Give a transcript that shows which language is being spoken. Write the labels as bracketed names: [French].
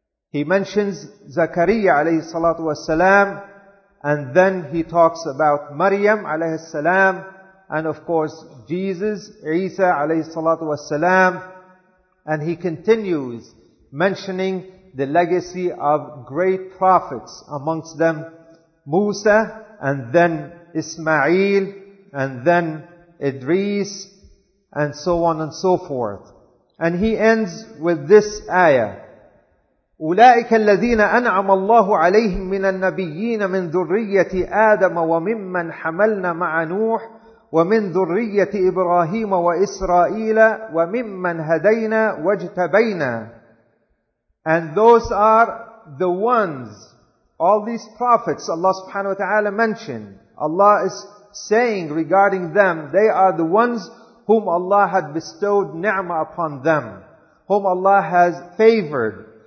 [English] He mentions Zakariya alayhi salatu wassalam, and then he talks about Maryam alayhi salam, and of course Jesus, Isa alayhi salatu wassalam, and he continues mentioning the legacy of great prophets, amongst them Musa, and then Ismail, and then Idris, and so on and so forth. And he ends with this ayah. [Arabic] أولئك الذين أنعم الله عليهم من النبيين من ذرية آدم وممن حملنا مع نوح ومن ذرية إبراهيم وإسرائيل وممن هدينا واجتبينا. [English] And those are the ones, all these prophets Allah subhanahu wa ta'ala mentioned. Allah is saying regarding them, they are the ones whom Allah had bestowed ni'mah upon them, whom Allah has favored.